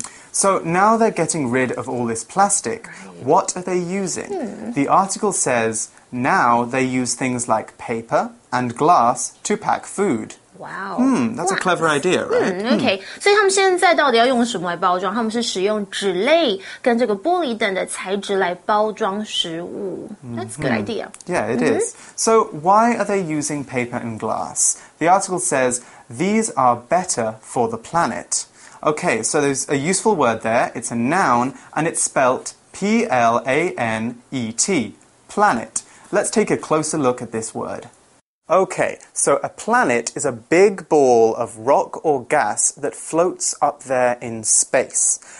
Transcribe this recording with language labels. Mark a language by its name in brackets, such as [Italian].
[English] So now they're getting rid of all this plastic. What are they using? The article says, now they use things like paper and glass to pack food. Wow. That's a clever idea, right? Okay. [Chinese] 所以他们现在到底要用什么来包装？他们是使用纸类跟这个玻璃等的材质来包装食物。 [English] That's a good idea. Yeah, it is. So why are they using paper and glass? The article says, these are better for the planet. Okay, so there's a useful word there. It's a noun, and it's spelt P-L-A-N-E-T, planet. Let's take a closer look at this word. Okay, so a planet is a big ball of rock or gas that floats up there in space.